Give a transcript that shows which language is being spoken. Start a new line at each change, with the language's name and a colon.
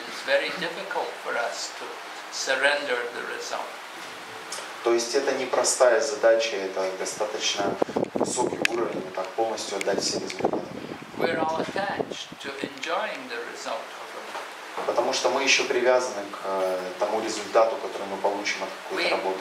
English: It's very difficult for us to surrender the result.
Russian: То есть это непростая задача, это достаточно высокий уровень, так полностью отдать все результаты.
English: We're all attached to enjoying the result of the work.
Russian: Потому что мы еще привязаны к тому результату, который мы получим от какой-то работы.